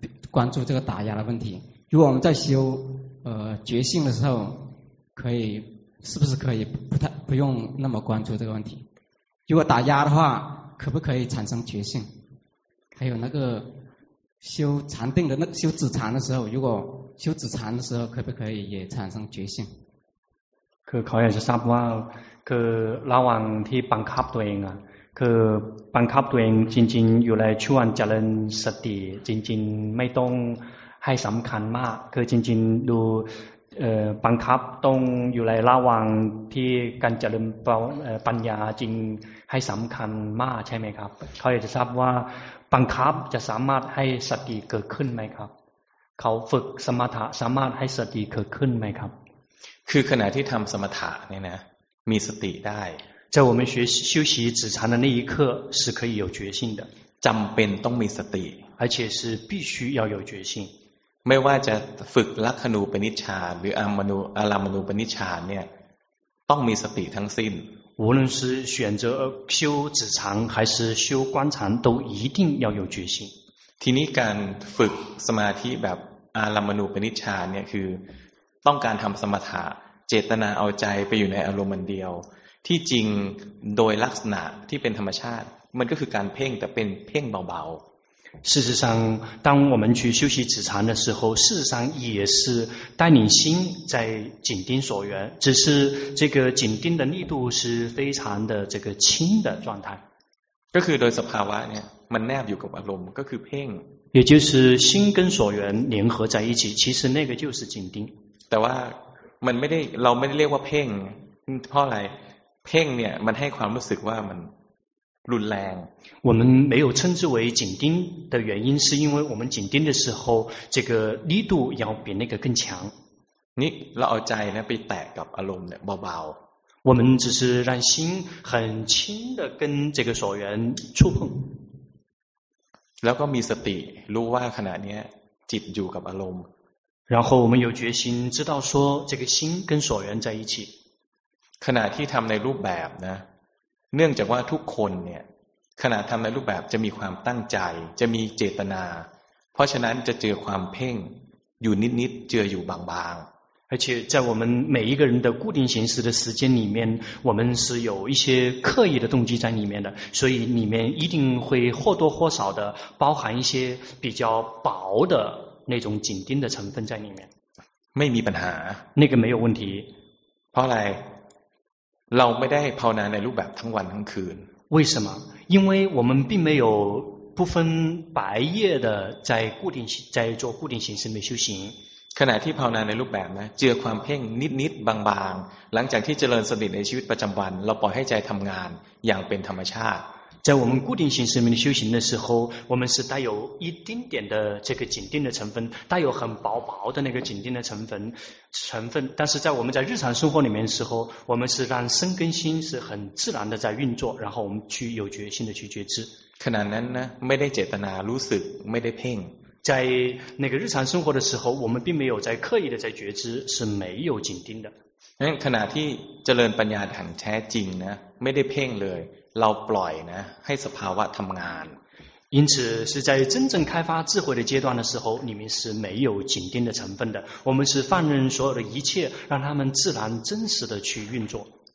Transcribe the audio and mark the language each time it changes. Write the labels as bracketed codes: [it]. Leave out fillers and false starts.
[zh] 关注这个打压的问题如果我们在修觉性的时候可以是不是可以不用那么关注这个问题如果打压的话可不可以产生觉性还有那个修禅定的那个修止禅的时候如果修止禅的时候可不可以也产生觉性 [th] คือเขาอยากจะทราบว่าคือระหว่างที่บังคับตัวเองอ่ะคือบังคับตัวเองจริงๆอยู่ในช่วงเจริญสติจริงๆไม่ต้องให้สำคัญมากคือจริงๆดูบังคับต้องอยู่ในระหว่างที่การเจริญปัญญาจริงให้สำคัญมากใช่ไหมครับเขาอยากจะทราบว่าบังคับจะสามารถให้สติเกิดขึ้นไหมครับเขาฝึกสมถะสามารถให้สติเกิดขึ้นไหมครับ คือขณะที่ทำสมถะเนี่ยนะมีสติได้ [zh] 在我们学习修习止禅的那一刻是可以有觉性的 [th] จำเป็นต้องมีสติ [zh] 而且是必须要有觉性 [th] ไม่ว่าจะฝึกลัคนูปนิชฌานหรืออารมณูอารมณูปนิชฌานเนี่ยต้องมีสติทั้งสิ้น [zh] 无论是选择修止禅还是修观禅都一定要有觉性 [th] ทีนี้การฝึกสมาธิแบบอารมณูปนิชฌานเนี่ยคือต้องการทำสมถะเจตนาเอาใจไปอยู่ในอารมณ์เดียว ที่จริงโดยลักษณะที่เป็นธรรมชาติมันก็คือการเพ่งแต่เป็นเพ่งเบา [zh] ๆ事实上当我们去修习止禅的时候事实上也是带领心在紧盯所缘只是这个紧盯的力度是非常的这个轻的状态 [th] ก็คือโดยสภาวะเนี่ยมันแนบอยู่กับอารมณ์ก็คือเพ่ง [zh] 也就是心跟所缘联合在一起其实那个就是紧盯 [th] แต่ว่ามันไม่ได้เราไม่ได้เรียกว่าเพ่งเพราะอะไรเพ่งเนี่ยมันให้ความรู้สึกว่ามันรุนแรง [zh] 我们没有称之为紧盯的原因是因为我们紧盯的时候这个力度要比那个更强 [th] นี่เราเอาใจนะไปแตะกับอารมณ์เนี่ยเบา [zh] ๆ我们只是让心很轻的跟这个所缘触碰 [th] แล้วก็มีสติรู้ว่าขณะนี้จิตอยู่กับอารมณ์ [zh] 然后我们有决心知道说这个心跟所缘在一起 [th] ขณะที่ทําในรูปแบบนะเนื่องจากว่าทุกคนเนี่ยขณะทําในรูปแบบจะมีความตั้งใจจะมีเจตนาเพราะฉะนั้นจะเจอความเพ่งอยู่นิดๆเจออยู่บาง [zh] ๆ而且在我们每一个人的固定形式的时间里面我们是有一些刻意的动机在里面的所以里面一定会或多或少的包含一些比较薄的那种紧盯的成分在里面 [th] ไม่มีปัญหา [zh] 那个没有问题 [th] เพราะอะไรเราไม่ได้ภาวนาในรูปแบบทั้งวันทั้งคืน [zh] 为什么因为我们并没有不分白夜的在固定在做固定形式的修行 [th] ขณะที่ภาวนาในรูปแบบนะเจอความเพ่งนิดๆบางๆหลังจากที่เจริญสติในชีวิตประจำวันเราปล่อยให้ใจทำงานอย่างเป็นธรรมชาติ [zh] 在我们固定形式里面修行的时候我们是带有一丁点的这个紧盯的成分带有很薄薄的那个紧盯的成分但是在我们在日常生活里面的时候我们是让身跟心是很自然的在运作然后我们去有决心的去觉知 [th] ขณะนั้นนะไม่ได้เจตนารู้สึกไม่ได้เพ่ง [zh] 在那个日常生活的时候我们并没有在刻意的在觉知是没有紧盯的 [th] ขณะที่เจริญปัญญาแท้จริงนะไม่ได้เพ่งเลยเราปล่อยนะให้สภาวะทำงาน [zh] 因此是在真正开发智慧的阶段的时候里面是没有紧盯的成分的我们是放任所有的一切让他们自然真实的去运作